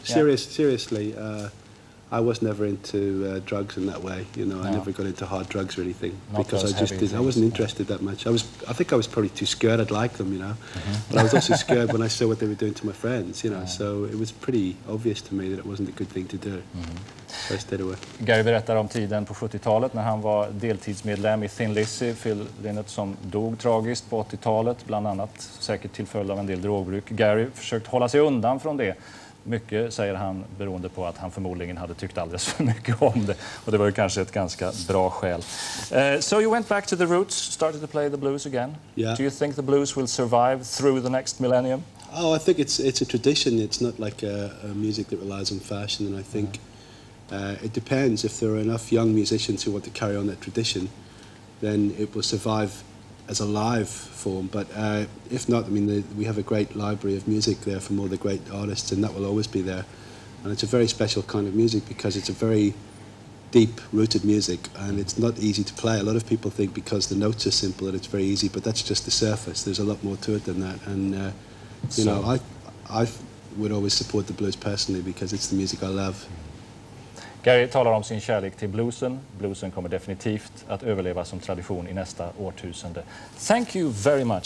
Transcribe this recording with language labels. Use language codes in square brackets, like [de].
[en] Seriously, I was never into drugs in that way, you know. I never got into hard drugs or anything, not because I just didn't. I wasn't interested that much. I think I was probably too scared I'd like them, you know. But I was also scared when I saw what they were doing to my friends, you know. Yeah. So it was pretty obvious to me that it wasn't a good thing to do. So I stayed away. [sv] Gary berättar om tiden på 70-talet när han var deltidsmedlem i Thin Lizzy, Phil Lynott, som dog tragiskt på 80-talet, bland annat säkert till följd av en del drogbruk. Gary försökte hålla sig undan från det. Mycket, säger han, beroende på att han förmodligen hade tyckt alldeles för mycket om det. Och det var ju kanske ett ganska bra skäl. [en] So you went back to the roots, started to play the blues again. Yeah. Do you think the blues will survive through the next millennium? Oh, I think it's a tradition. It's not like a music that relies on fashion. And I think it depends. If there are enough young musicians who want to carry on that tradition, then it will survive as a live form, but if not, I mean, we have a great library of music there from all the great artists, and that will always be there. And it's a very special kind of music because it's a very deep-rooted music, and it's not easy to play. A lot of people think because the notes are simple that it's very easy, but that's just the surface. There's a lot more to it than that. And, you know, I would always support the blues personally because it's the music I love. [sv] Gary talar om sin kärlek till bluesen. Bluesen kommer definitivt att överleva som tradition i nästa årtusende. [en] Thank you very much,